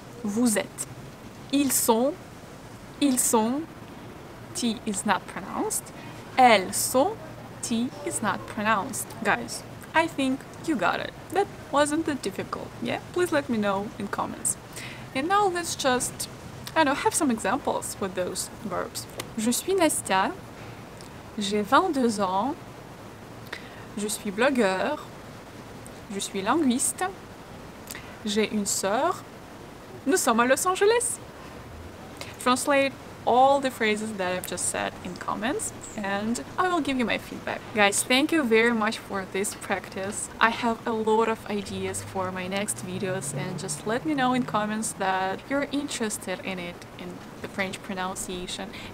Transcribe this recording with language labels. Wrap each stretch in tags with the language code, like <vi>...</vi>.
<fr>Vous êtes. Ils sont, ils sont,</fr> <en>T is not pronounced.</en> <fr>Elles sont,</fr> <en>T is not pronounced. Guys, I think you got it. That wasn't that difficult, yeah? Please let me know in comments. And now let's just, I know, have some examples with those verbs.</en> <fr>Je suis Nastia, j'ai 22 ans, je suis blogueur, je suis linguiste, j'ai une sœur, nous sommes à Los Angeles.</fr> <en>Translate all the phrases that I've just said in comments and I will give you my feedback. Guys, thank you very much for this practice. I have a lot of ideas for my next videos, and just let me know in comments that you're interested in it, in the French pronunciation.</en>